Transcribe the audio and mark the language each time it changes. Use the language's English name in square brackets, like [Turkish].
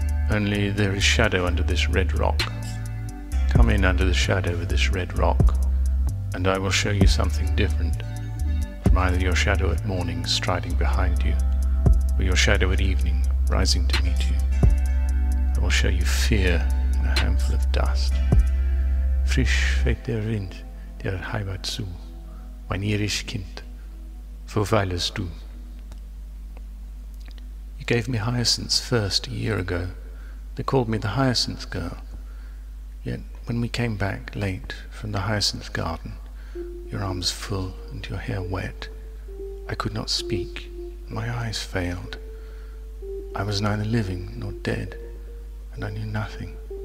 [English] Only there is shadow under this red rock. Come in under the shadow of this red rock, and I will show you something different from either your shadow at morning striding behind you, or your shadow at evening rising to meet you. I will show you fear in a handful of dust. [German] Frisch fährt der Wind der Heimat zu, mein irisch Kind, wo weilest du? [English] You gave me hyacinths first a year ago. They called me the hyacinth girl. Yet when we came back late from the hyacinth garden, your arms full and your hair wet, I could not speak. My eyes failed. I was neither living nor dead, and I knew nothing.